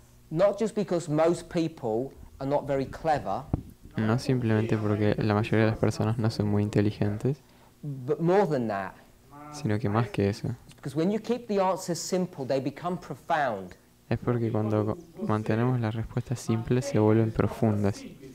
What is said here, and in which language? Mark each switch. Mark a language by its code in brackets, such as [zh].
[en] Not just because most people are not very clever. [es] No simplemente porque la mayoría de las personas no son muy inteligentes. [en] But more than that. [es] Sino que más que eso. [en] Because when you keep the answers simple, they become profound. [es] Es porque cuando mantenemos las respuestas simples se vuelven profundas.